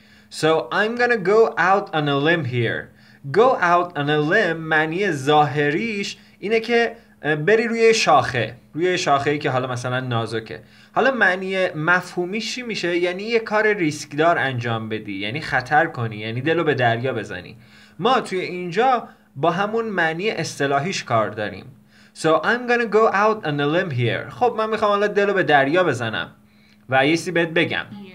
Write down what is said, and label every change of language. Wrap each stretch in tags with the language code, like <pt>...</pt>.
<en>So I'm gonna go out on a limb here. Go out on a limb</en> <fa>معنی ظاهریش اینه که بری روی شاخه، روی شاخه‌ای که حالا مثلا نازکه. حالا معنی مفهومیش چی میشه؟ یعنی یه کار ریسکدار انجام بدی، یعنی خطر کنی، یعنی دلو به دریا بزنی. ما توی اینجا با همون معنی اصطلاحیش کار داریم.</fa> <en>So I'm gonna go out on a limb here.</en> <fa>خب من میخوام حالا دلو به دریا بزنم و یه سی بهت بگم.</fa>